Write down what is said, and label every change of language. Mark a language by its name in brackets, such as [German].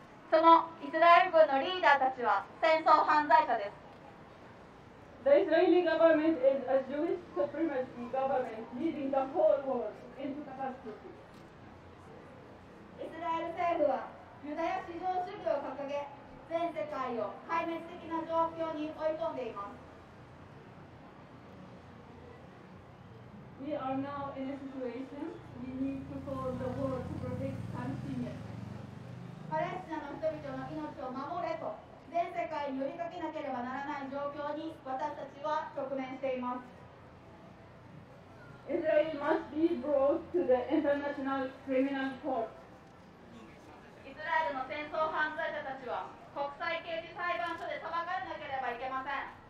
[Japanese] そのイスラエル軍のリーダーたちは戦争犯罪者です。 [English] The Israeli government is a Jewish supremacy government leading the whole world into catastrophe. [Japanese] イスラエル政府はユダヤ至上主義を掲げ、全世界を壊滅的な状況に追い込んでいます。 [English] We are now in a situation we need to call the world to protect Palestinians. [Japanese] パレスチナの人々の命を守れと全世界に呼びかけなければならない状況に私たちは直面しています。 [English] Israel must be brought to the international criminal court. [Japanese] イスラエルの戦争犯罪者たちは国際刑事裁判所で裁かれなければいけません。